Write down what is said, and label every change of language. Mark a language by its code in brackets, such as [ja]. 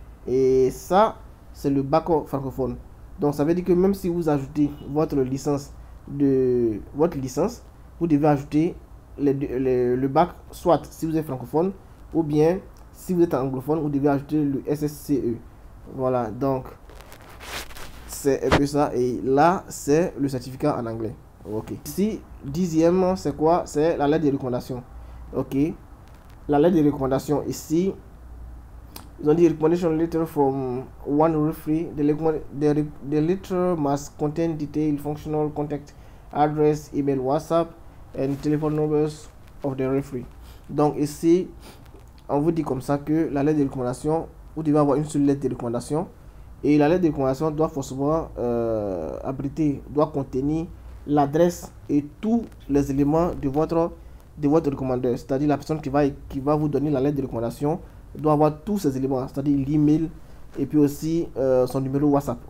[fr] Et ça, c'est le bac francophone. Donc, ça veut dire que même si vous ajoutez votre licence, vous devez ajouter le bac, soit si vous êtes francophone, ou bien si vous êtes anglophone, vous devez ajouter le SSCE. Voilà, donc, c'est un peu ça. Et là, c'est le certificat en anglais. Ok. Ici, dixièmement, c'est quoi? C'est la lettre de recommandation. Ok. La lettre de recommandation ici. Ils ont dit [en] recommendation letter from one referee. The letter must contain detailed functional contact address, email, WhatsApp and telephone numbers of the referee. [fr] Donc ici, on vous dit comme ça que la lettre de recommandation, vous devez avoir une seule lettre de recommandation et la lettre de recommandation doit forcément abriter, doit contenir l'adresse et tous les éléments de votre recommandeur, c'est-à-dire la personne qui va vous donner la lettre de recommandation doit avoir tous ces éléments, c'est-à-dire l'email et puis aussi son numéro WhatsApp.